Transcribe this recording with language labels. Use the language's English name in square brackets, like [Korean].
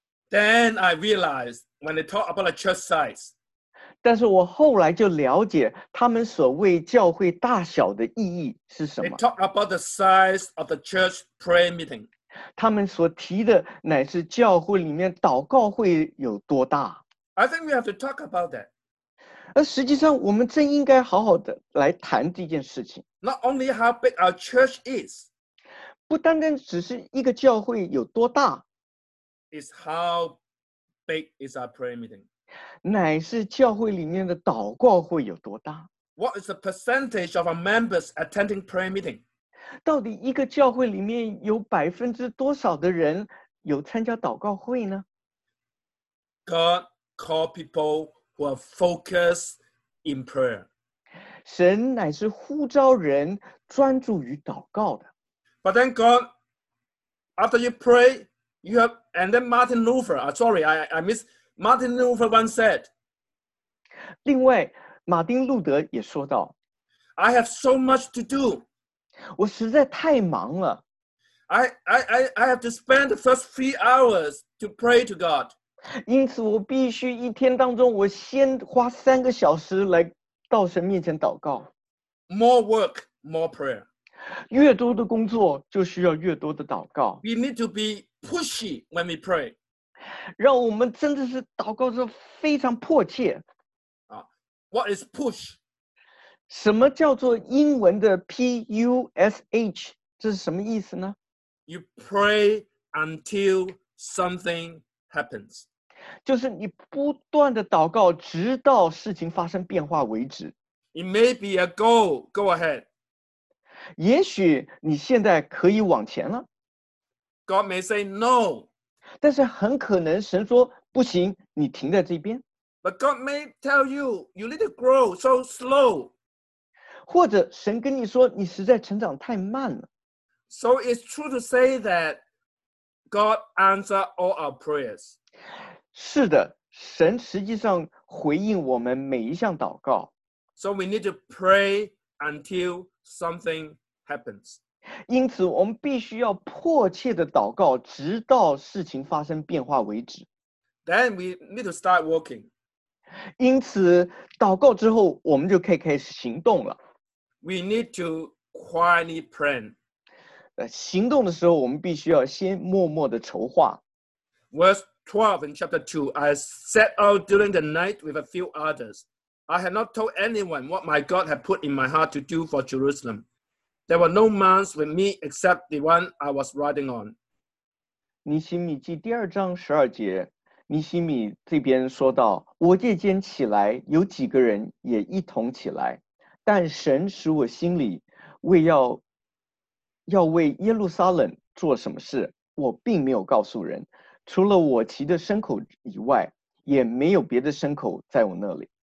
[English] Then I realized when they talk about the church size, [Chinese] 但是我后来就了解他们所谓教会大小的意义是什么。 [English] They talk about the size of the church prayer meeting. [Chinese] 他们所提的乃是教会里面祷告会有多大。 [English] I think we have to talk about that. [Chinese] 而实际上我们正应该好好的来谈这件事情。 [English] Not only how big our church is. [Chinese] 不单单只是一个教会有多大。 [English] It's how big is our prayer meeting. [Chinese] 乃是教会里面的祷告会有多大。 [English] What is the percentage of our members attending prayer meeting? [Chinese] 到底一个教会里面有百分之多少的人有参加祷告会呢？ [English] God called people who are focused in prayer. [Chinese] 神乃是呼召人专注于祷告的。 [English] But then God, after you pray, you have, and then Martin Luther, Martin Luther once said, [Chinese] 另外马丁路德也说道， [English] I have so much to do. [Chinese] 我实在太忙了。 [English] I have to spend the first 3 hours to pray to God. [Chinese] 因此我必须一天当中我先花3个小时来到神面前祷告。 [English] More work, more prayer. [Chinese] 越多的工作就需要越多的祷告。 [English] We need to be pushy when we pray. [Chinese] 让我们真的是祷告是非常迫切。 [English] What is push? [Chinese] 什么叫做英文的 P-U-S-H? 这是什么意思呢？ [English] You pray until something happens. [Chinese] 就是你不断的祷告直到事情发生变化为止。 [English] It may be a goal. Go ahead. [Chinese] 也许你现在可以往前了。 [English] God may say no. [Chinese] 但是很可能神说不行，你停在这边。 [English] But God may tell you, you need to grow so slow. [Chinese] 或者神跟你说你实在成长太慢了。 [English] So it's true to say that God answers all our prayers. [Chinese] 是的，神实际上回应我们每一项祷告。 [English] So we need to pray until something happens. [Chinese] 因此我们必须要迫切的祷告直到事情发生变化为止。 [English] Then we need to start working. [Chinese] 因此祷告之后我们就可以开始行动了。 [English] We need to quietly plan. [Chinese] 行动的时候我们必须要先默默的筹划。 [English] Verse 12 in chapter 2, I set out during the night with a few others. I had not told anyone what my God had put in my heart to do for Jerusalem. There were no mounts with me except the one I was riding on. [Chinese] 尼希米记第二章十二节，尼希米这边说到，我夜间起来，有几个人也一同起来，但神使我心里为要为耶路撒冷做什么事，我并没有告诉人，除了我骑的牲口以外，也没有别的牲口在我那里。